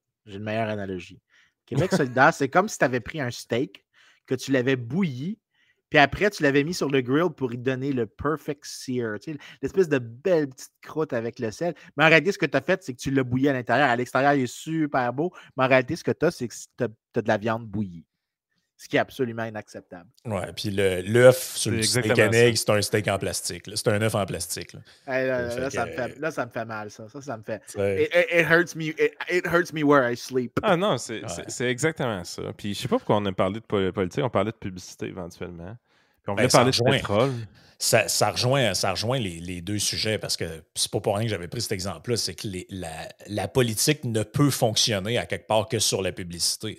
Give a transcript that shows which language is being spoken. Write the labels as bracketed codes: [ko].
[fr] J'ai une meilleure analogie. Québec solidaire, c'est comme si t'avais pris un steak, que tu l'avais bouilli, puis après, tu l'avais mis sur le grill pour y donner le [en] perfect sear, [fr] tu sais, l'espèce de belle petite croûte avec le sel. Mais en réalité, ce que t'as fait, c'est que tu l'as bouilli à l'intérieur. À l'extérieur, il est super beau, mais en réalité, ce que t'as, c'est que t'as de la viande bouillie. Ce qui est absolument inacceptable. Ouais, puis l'œuf sur le steak en egg, c'est un steak en plastique. Là. C'est un œuf en plastique. Là, ça me fait mal, ça. Ça me fait. [en] It hurts me where I sleep. [fr] Ah non, c'est exactement ça. Puis je sais pas pourquoi on a parlé de politique, on parlait de publicité éventuellement. Puis on voulait parler de pétrole. Ça rejoint les deux sujets, parce que c'est pas pour rien que j'avais pris cet exemple-là, c'est que la politique ne peut fonctionner à quelque part que sur la publicité.